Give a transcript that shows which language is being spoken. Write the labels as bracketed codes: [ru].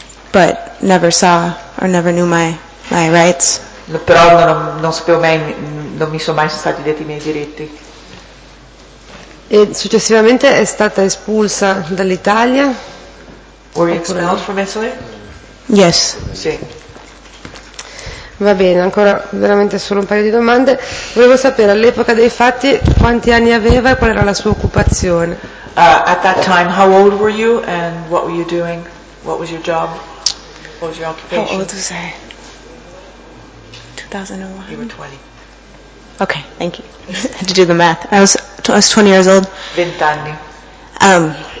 [en] But never saw or never knew my rights. [it] Però non sapevo mai, non mi sono mai stati detti i miei diritti. E successivamente è stata espulsa dall'Italia? [en] Were you expelled from Italy? Yes. [it] Sì. Va bene, ancora veramente solo un paio di domande. Volevo sapere all'epoca dei fatti quanti anni aveva e qual era la sua occupazione. [en] At that time, how old were you and what were you doing? What was your job? What was your occupation? How old was I? 2001. You were 20. Okay, thank you. I had to do the math. I was 20 years old. [it] 20 anni.